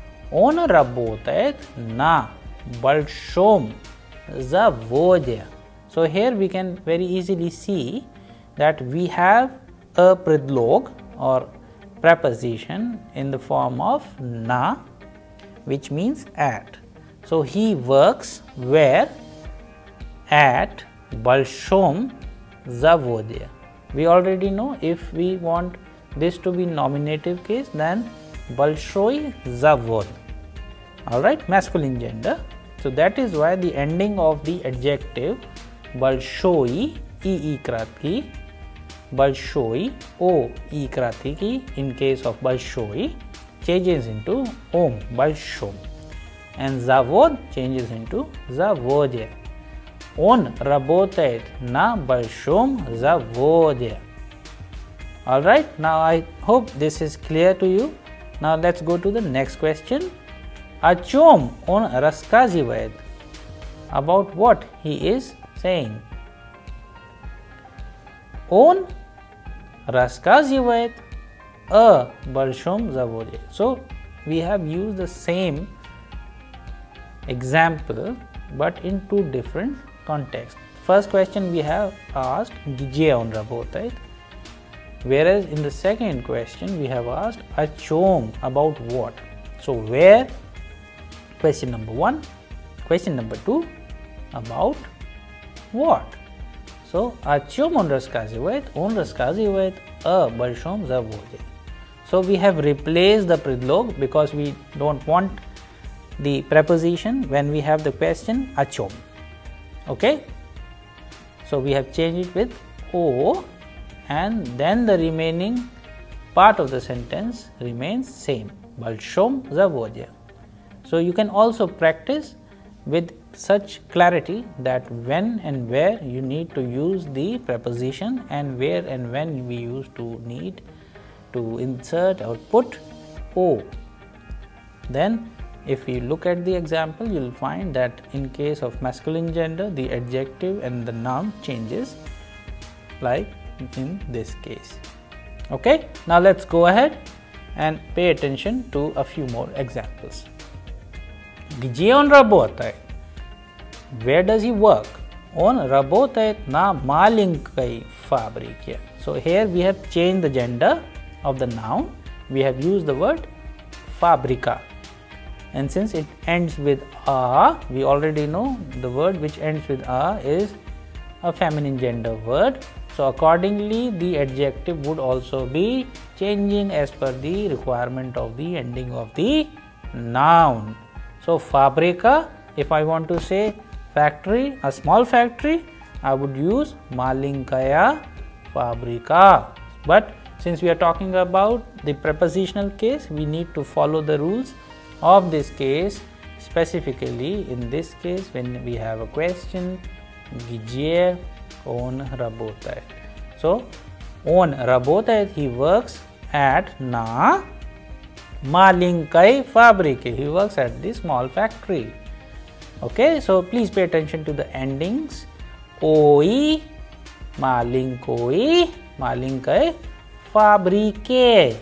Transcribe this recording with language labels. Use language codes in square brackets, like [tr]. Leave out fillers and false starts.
[ru] Она работает на большом заводе. [en] So here we can very easily see that we have a предлог or preposition in the form of на, which means at. So he works where? At [ru] большом заводе. [en] We already know if we want this to be nominative case, then [ru] большой завод. [en] Alright, masculine gender. So that is why the ending of the adjective большой ee краткий, большой о ee краткий in case of большой changes into ом, большом. And завод changes into заводе. [ru] Он работает на большом заводе. [en] Alright, now I hope this is clear to you. Now let's go to the next question. [ru] О чем он рассказывает? [en] About what he is saying. [ru] Он рассказывает о большом заводе. [en] So, we have used the same example but in two different contexts. First question we have asked, [ru] где он работает? [en] Whereas in the second question we have asked, [ru] о чем, [en] about what? So, where? Question number one. Question number two, about what? [ru] So, о чем он рассказывает о большом заводе. [en] So, we have replaced the предлог because we don't want the preposition when we have the question [ru] о чем. [en] Okay? So, we have changed it with о, and then the remaining part of the sentence remains same. [ru] Большом заводе. [en] So, you can also practice with such clarity that when and where you need to use the preposition and where and when we use to need to insert or put O. Then, if you look at the example, you'll find that in case of masculine gender, the adjective and the noun changes like in this case. Okay, now let's go ahead and pay attention to a few more examples. [ru] Где он работает? [en] Where does he work? [ru] Он работает на маленькой фабрике. [en] So here we have changed the gender of the noun. We have used the word фабрика. And since it ends with а, we already know the word which ends with а is a feminine gender word. So accordingly, the adjective would also be changing as per the requirement of the ending of the noun. So, fabrica, if I want to say factory, a small factory, I would use [ru] malinkaya fabrica. [en] But since we are talking about the prepositional case, we need to follow the rules of this case. Specifically, in this case, when we have a question, [ru] где он работает? So, он работает, [en] he works at [ru] на маленькой фабрике. [en] He works at the small factory. Okay, so please pay attention to the endings. [ru] Ой, маленькой, маленькой фабрике.